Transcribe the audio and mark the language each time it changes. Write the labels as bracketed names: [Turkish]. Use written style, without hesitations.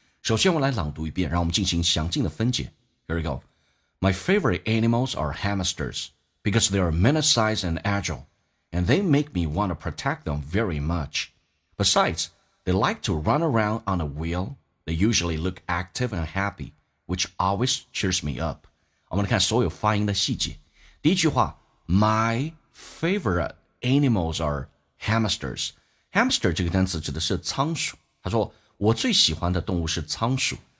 [Chinese] 首先我来朗读一遍，让我们进行详尽的分解。 [English] Here we go. My favorite animals are hamsters because they are minute-sized and agile, and they make me want to protect them very much. Besides, they like to run around on a wheel. They usually look active and happy, which always cheers me up. [Chinese] 我们来看所有发音的细节。第一句话， [English] My favorite animals are hamsters. [Chinese] Hamster 这个单词指的是仓鼠。他说我最喜欢的动物是仓鼠。